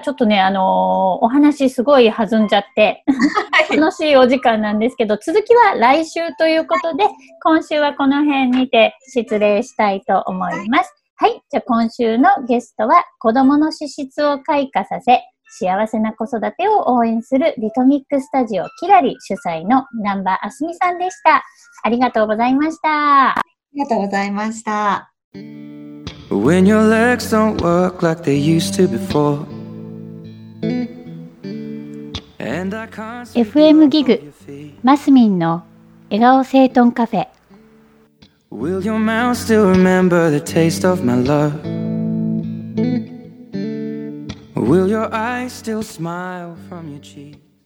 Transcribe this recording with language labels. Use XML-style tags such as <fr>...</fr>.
<ja>ちょっとね、お話すごい弾んじゃって、楽しいお時間なんですけど、続きは来週ということで、今週はこの辺にて失礼したいと思います。じゃあ、今週のゲストは、子供の資質を開花させ、幸せな子育てを応援するリトミックスタジオキラリ主催の難波あすみさんでした。ありがとうございました。ありがとうございました。</ja> <en>When your legs don't work like they used to before. And I can't see</en> <ja>FM ギグマスミンの笑顔整頓カフェ。</ja> <en>Will your mouth still remember the taste of my love? Will your eyes still smile from your cheek?</en>